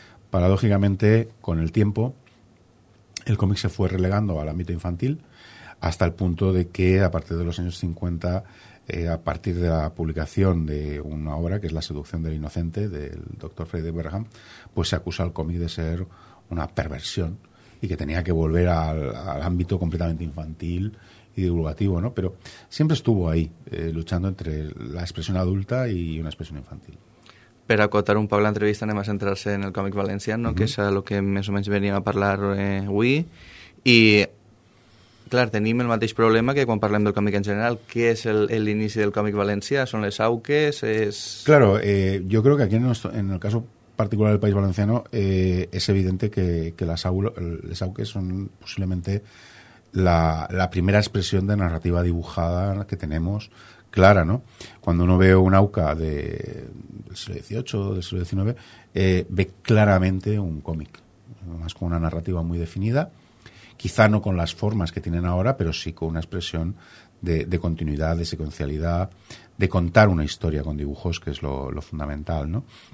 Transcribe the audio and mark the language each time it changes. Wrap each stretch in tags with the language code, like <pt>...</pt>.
<es>Paradójicamente, con el tiempo, el cómic se fue relegando al ámbito infantil hasta el punto de que, a partir de los años 50, a partir de la publicación de una obra que es La seducción del inocente, del doctor Frederick Wareham, pues se acusa al cómic de ser una perversión y que tenía que volver al ámbito completamente infantil y divulgativo, ¿no? Pero siempre estuvo ahí, luchando entre la expresión adulta y una expresión infantil.</es> <ca>Per acotar un poc l'entrevista, anem a centrar-se en el còmic valencià, no? Uh-huh. Que és el que més o menys veníem a parlar avui. I clar, tenim el mateix problema que quan parlem del còmic en general. Què és l'inici del còmic valencià? Són les auques?</ca> <es>Claro, yo creo que aquí en el caso particular del País Valenciano es evidente que les auques son posiblemente la primera expresión de narrativa dibujada que tenemos clara, ¿no? Cuando uno ve un auca del siglo XVIII, del siglo XIX, ve claramente un cómic, más con una narrativa muy definida, quizá no con las formas que tienen ahora, pero sí con una expresión de continuidad, de secuencialidad, de contar una historia con dibujos, que es lo fundamental, ¿no?</es>